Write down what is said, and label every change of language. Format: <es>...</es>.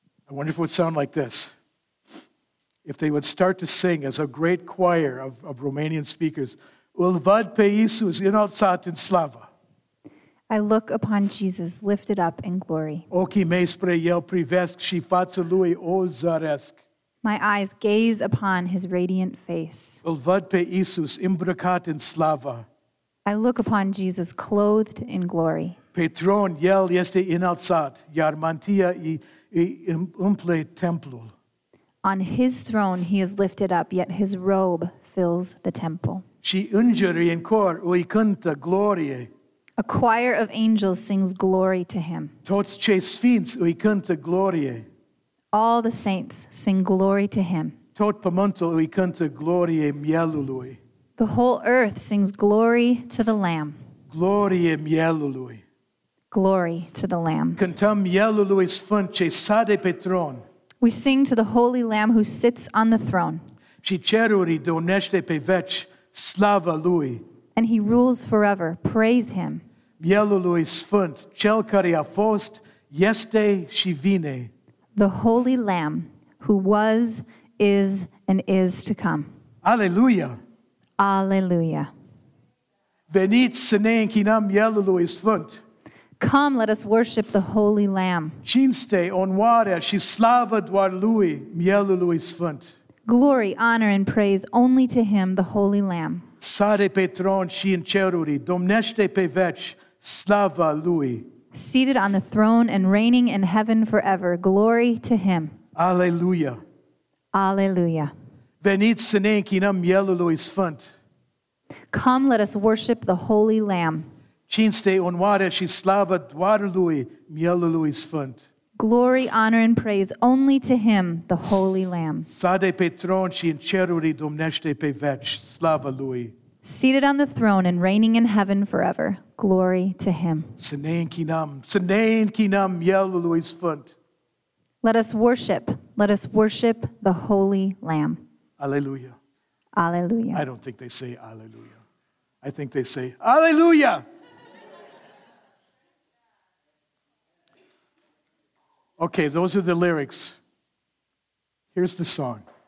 <en>I wonder if it would sound like this. If they would start to sing as a great choir of Romanian speakers,</en> <ro>Ul văd pe Iisus înălțat în slavă.</ro> <en>I look upon Jesus, lifted up in glory.</en> <ro>Ochii mei spre el privesc și fața lui o zăresc.</ro> <en>My eyes gaze upon his radiant face.</en> <ro>Îl văd pe Iisus îmbrăcat în slavă.</ro> <en>I look upon Jesus, clothed in glory.</en> <ro>Pe tron el este înălțat, iar mantia îi umple templul.</ro> <en>On his throne he is lifted up, yet his robe fills the temple.</en> <ro>Și îngerii în cor îi cântă glorie.</ro> <en>A choir of angels sings glory to him.</en> <ro>Toți cei sfinți îi cântă glorie.</ro> <en>All the saints sing glory to him.</en> <ro>Tot pământul îi cântă glorie mielului.</ro> <en>The whole earth sings glory to the Lamb.</en> <ro>Glorie mielului.</ro> <en>Glory to the Lamb.</en> <ro>Cântăm mielului sfânt ce sade pe tron.</ro> <en>We sing to the Holy Lamb who sits on the throne.</en> <ro>Și ceruri donește pe veci slava lui.</ro> <en>And he rules forever. Praise him.</en> <ro>Mielului sfânt, cel care a fost, este și vine.</ro> <en>The Holy Lamb who was, is, and is to come.</en> <ro>Alleluia!</ro> <en>Alleluia!</en> <ro>Veniți să ne închinăm mielului sfânt.</ro> <en>Come, let us worship the Holy Lamb.</en> <ro>Cinste, onoarea și slavă doar lui, mielului sfânt.</ro> <en>Glory, honor, and praise only to him, the Holy Lamb.</en> <ro>Sare pe tron și în ceruri, domnește pe veci, slava lui.</ro> <en>Seated on the throne and reigning in heaven forever, glory to him.</en> <ro>Alleluia.</ro> <en>Alleluia.</en> <ro>Veniți să ne închinăm mielului sfânt.</ro> <en>Come, let us worship the Holy Lamb.</en> <ro>Cinste, onoare și slavă doar lui, mielului sfânt.</ro> <en>Glory, honor, and praise only to him, the Holy Lamb.</en> <ro>Sade pe tron și în ceruri domnește pe veci, slava lui.</ro> <en>Seated on the throne and reigning in heaven forever, glory to him.</en> <ro>Să ne închinăm mielului sfânt.</ro> <en>Let us worship the Holy Lamb.</en> <ro>Alleluia.</ro> <en>Alleluia. I don't think they say alleluia. I think they say alleluia. Okay, those are the lyrics. Here's the song.</en>